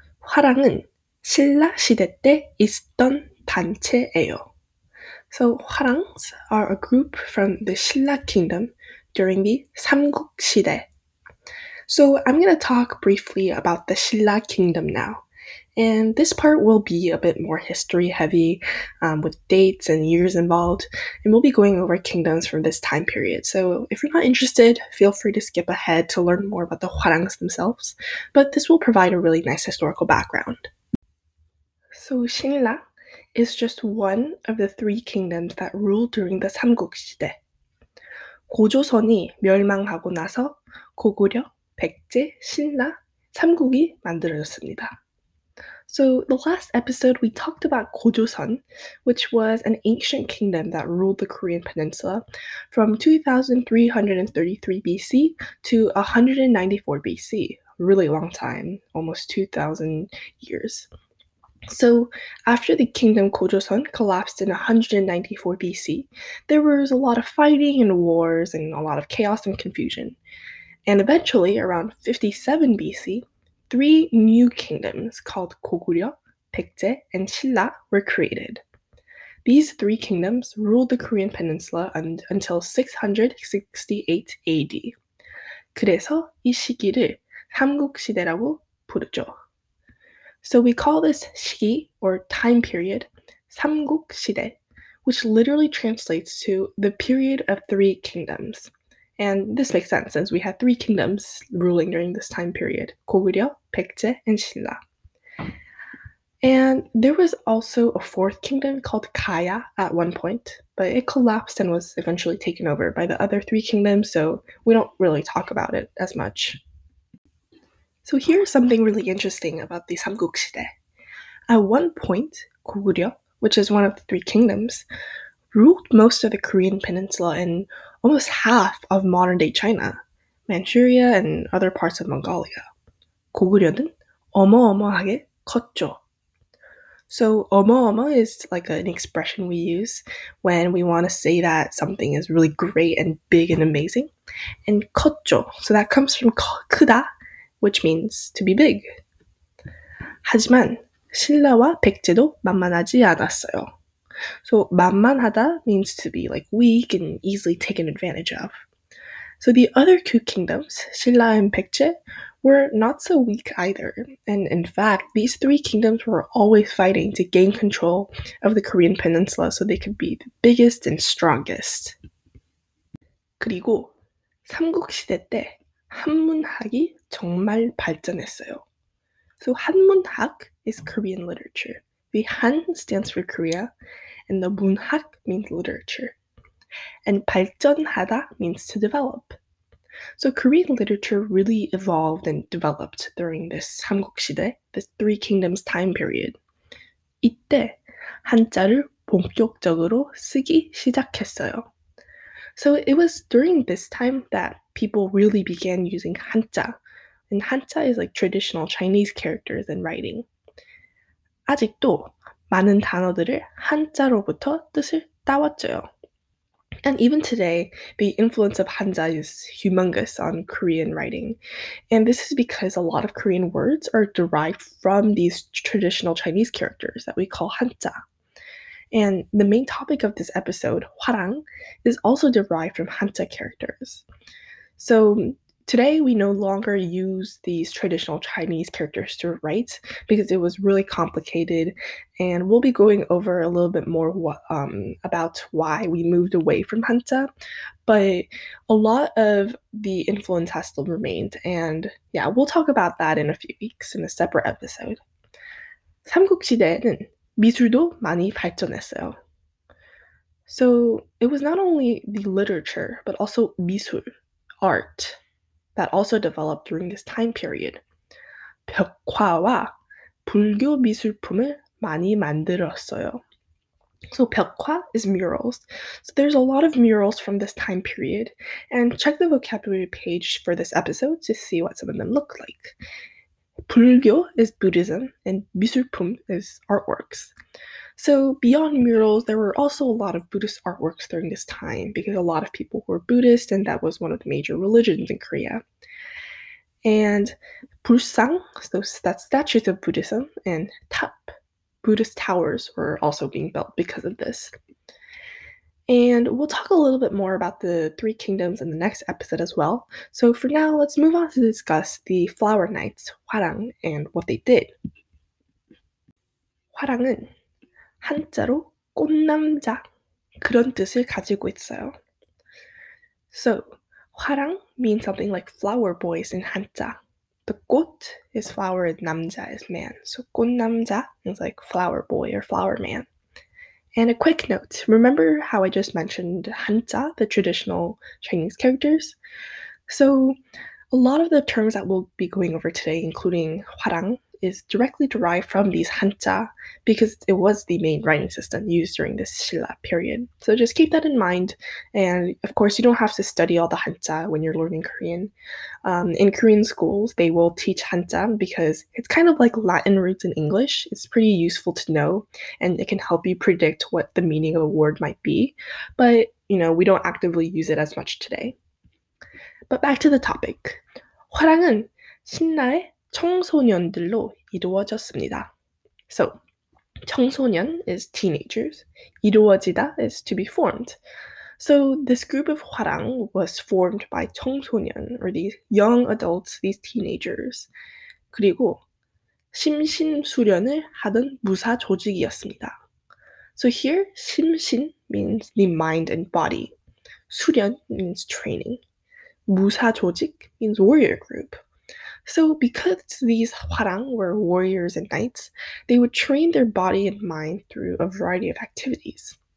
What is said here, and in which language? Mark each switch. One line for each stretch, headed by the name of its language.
Korean: 화랑은 신라 시대 때 있었던 단체예요.
English: So, Hwarangs are a group from the Silla kingdom during the Samguk 시대. So, I'm going to talk briefly about the Silla kingdom now. And this part will be a bit more history heavy, with dates and years involved. And we'll be going over kingdoms from this time period. So, if you're not interested, feel free to skip ahead to learn more about the Hwarangs themselves. But this will provide a really nice historical background. So, Silla is just one of the three kingdoms that ruled during the Samguk 시대.
Korean: 고조선이 멸망하고 나서 고구려, 백제, 신라, 삼국이 만들어졌습니다.
English: So, the last episode we talked about 고조선, which was an ancient kingdom that ruled the Korean peninsula from 2333 BC to 194 BC. A really long time, almost 2000 years. So, after the kingdom Gojoseon collapsed in 194 BC, there was a lot of fighting and wars and a lot of chaos and confusion. And eventually, around 57 BC, three new kingdoms called Goguryeo, Baekje, and Silla were created. These three kingdoms ruled the Korean peninsula until 668 AD.
Korean: 그래서 이 시기를 삼국시대라고 부르죠.
English: So we call this 시기, or time period, 삼국 시대, which literally translates to the period of three kingdoms. And this makes sense since we had three kingdoms ruling during this time period, 고구려, 백제, and 신라. And there was also a fourth kingdom called 가야 at one point, but it collapsed and was eventually taken over by the other three kingdoms, so we don't really talk about it as much. So here's something really interesting about the Samguk 시대. At one point, 고구려, which is one of the three kingdoms, ruled most of the Korean peninsula and almost half of modern-day China, Manchuria, and other parts of Mongolia.
Korean: 고구려는 어마어마하게 컸죠.
English: So 어마어마 is like an expression we use when we want to say that something is really great and big and amazing. And 컸죠, so that comes from 크다, which means to be big.
Korean: 하지만 신라와 백제도 만만하지 않았어요.
English: So 만만하다 means to be like weak and easily taken advantage of. So the other two kingdoms, 신라 and 백제, were not so weak either. And in fact, these three kingdoms were always fighting to gain control of the Korean peninsula so they could be the biggest and strongest.
Korean: 그리고 삼국시대 때 한문학이 정말 발전했어요.
English: So 한문학 is Korean literature. The Han stands for Korea, and the 문학 means literature. And 발전하다 means to develop. So Korean literature really evolved and developed during this 삼국시대, this Three Kingdoms time period.
Korean: 이때 한자를 본격적으로 쓰기 시작했어요.
English: So it was during this time that people really began using Hanja. And Hanja is like traditional Chinese characters in writing.
Korean: 아직도 많은 단어들을 한자로부터 뜻을 따왔죠.
English: And even today, the influence of Hanja is humongous on Korean writing. And this is because a lot of Korean words are derived from these traditional Chinese characters that we call Hanja. And the main topic of this episode, Hwarang, is also derived from Hanja characters. So today, we no longer use these traditional Chinese characters to write because it was really complicated, and we'll be going over a little bit more about why we moved away from Hanja, but a lot of the influence has still remained, and yeah, we'll talk about that in a few weeks in a separate episode.
Korean: 삼국시대에는 미술도 많이 발전했어요.
English: So it was not only the literature, but also 미술, art, that also developed during this time period.
Korean: 벽화와 불교 미술품을 많이 만들었어요.
English: So 벽화 is murals. So there's a lot of murals from this time period. And check the vocabulary page for this episode to see what some of them look like. 불교 is Buddhism and 미술품 is artworks. So beyond murals, there were also a lot of Buddhist artworks during this time because a lot of people were Buddhist and that was one of the major religions in Korea. And 불상, so that's statues of Buddhism, and 탑, Buddhist towers were also being built because of this. And we'll talk a little bit more about the Three Kingdoms in the next episode as well. So for now, let's move on to discuss the Flower Knights, 화랑, and what they did.
Korean: 화랑은 한자로 꽃남자 그런 뜻을 가지고 있어요.
English: So, 화랑 means something like flower boys in 한자. The 꽃 is flower and 남자 is man. So 꽃남자 is like flower boy or flower man. And a quick note, remember how I just mentioned 한자, the traditional Chinese characters? So a lot of the terms that we'll be going over today, including 화랑, is directly derived from these Hanja because it was the main writing system used during this Silla period. So just keep that in mind. And of course, you don't have to study all the Hanja when you're learning Korean. In Korean schools, they will teach Hanja because it's kind of like Latin roots in English. It's pretty useful to know, and it can help you predict what the meaning of a word might be. But, you know, we don't actively use it as much today. But back to the topic.
Korean: 화랑은 신라의 청소년들로 이루어졌습니다.
English: So, 청소년 is teenagers, 이루어지다 is to be formed. So, this group of 화랑 was formed by 청소년, or these young adults, these teenagers.
Korean: 그리고 심신수련을 하던 무사 조직이었습니다.
English: So here, 심신 means the mind and body. 수련 means training. 무사 조직 means warrior group. So because these 화랑 were warriors and knights, they would train their body and mind through a variety of activities.